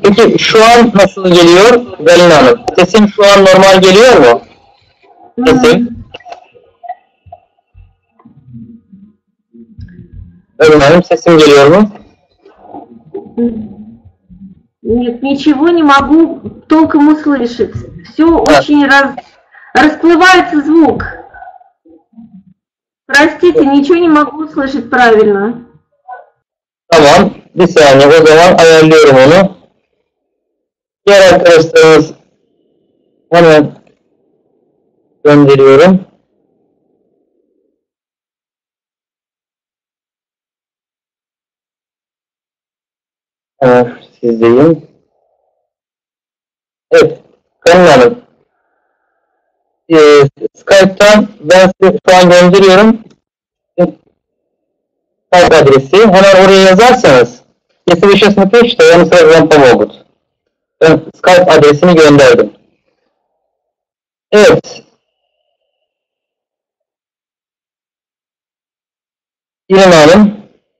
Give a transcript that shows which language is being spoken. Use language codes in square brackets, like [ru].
[tr] Peki şu an nasıl geliyor Galina Hanım? Sesim şu an normal geliyor mu? Sesim. Galina Hanım, sesim geliyor mu? [ru] Нет, ничего не могу толком услышать. Все очень расплывается звук. Простите, ничего не могу услышать правильно. [tr] Tamam. Bir saniye. O zaman ayarlıyorum onu. Diğer arkadaşlarımız hemen gönderiyorum. Evet, sizdeyim. Evet, Kanun Hanım. Skype'tan ben size şu an gönderiyorum. Skype adresi. Hemen oraya yazarsanız. [ru] Если вы сейчас напишете, то они сразу вам помогут. [tr] Ben Skype adresini gönderdim. Evet. İrem Hanım.